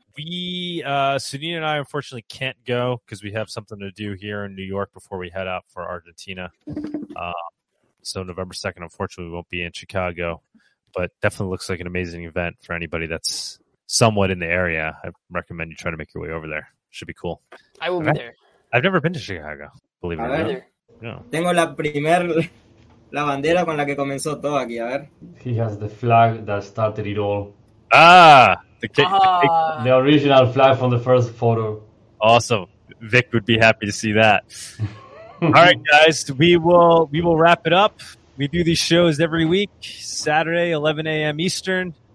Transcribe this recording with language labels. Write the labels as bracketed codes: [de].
[en] We, Sunita and I, unfortunately can't go because we have something to do here in New York before we head out for Argentina. So November 2nd, unfortunately, we won't be in Chicago. But definitely looks like an amazing event for anybody that's somewhat in the area. I recommend you try to make your way over there. Should be cool. I will be there. I've never been to Chicago, believe it or not. [es] Tengo la primer la bandera con la que comenzó todo aquí, a ver. [en] He has the flag that started it all. Ah! The original flag from the first photo. Awesome. Vic would be happy to see that. All right, guys. We will wrap it up. We do these shows every week, Saturday, 11 a.m. Eastern.